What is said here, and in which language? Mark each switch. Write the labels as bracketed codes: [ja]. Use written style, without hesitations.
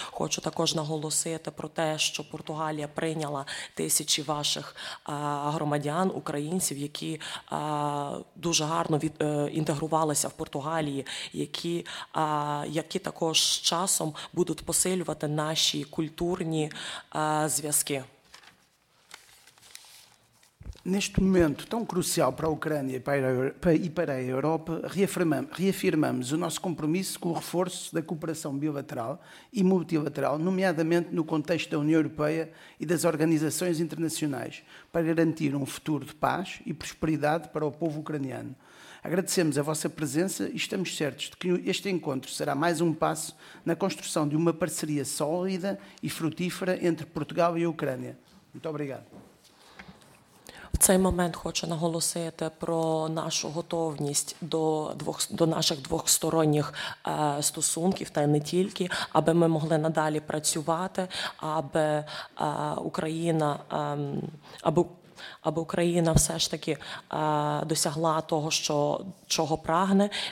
[uk] Хочу також наголосити про те, що Португалія прийняла тисячі ваших громадян, українців, які дуже гарно інтегрувалися в Португалії, які також з часом будуть посилювати наші культурні зв'язки. [pt] Neste momento tão crucial para a Ucrânia e para a Europa, reafirmamos o nosso compromisso com o reforço da cooperação bilateral e multilateral, nomeadamente no contexto da União Europeia e das organizações internacionais, para garantir um futuro de paz e prosperidade para o povo ucraniano. Agradecemos a vossa presença e estamos certos de que este encontro será mais um passo na construção de uma parceria sólida e frutífera entre Portugal e a Ucrânia. Muito obrigado. [uk] В цей момент хочу наголосити про нашу готовність до наших двохсторонніх стосунків, та не тільки, аби ми могли надалі працювати, аби Україна все ж таки досягла того, що чого прагне.